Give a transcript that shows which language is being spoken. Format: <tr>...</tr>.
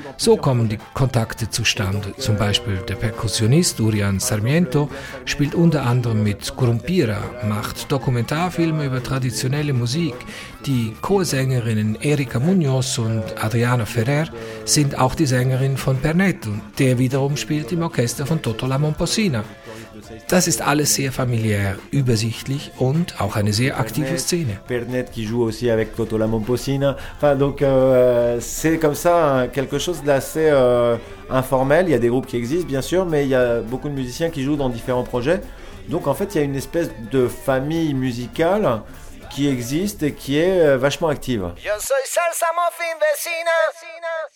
<de>So kommen die Kontakte zustande. Zum Beispiel der Perkussionist Urian Sarmiento spielt unter anderem mit Grumpira, macht Dokumentarfilme über traditionelle Musik. Die Chorsängerinnen Erika Munoz und Adriana Ferrer sind auch die Sängerin von Pernet, der wiederum spielt im Orchester von Toto La Momposina. Das ist alles sehr familiär, übersichtlich und auch eine sehr aktive Szene.</de> <fr>Pernet qui joue aussi avec Toto La Momposina. Enfin, donc c'est comme ça quelque chose d'assez informel. Il y a des groupes qui existent bien sûr, mais il y a beaucoup de musiciens qui jouent dans différents projets. Donc en fait, il y a une espèce de famille musicale qui existe et qui est vachement active.</fr> <es>Yo soy salsa muffin vecina.</es>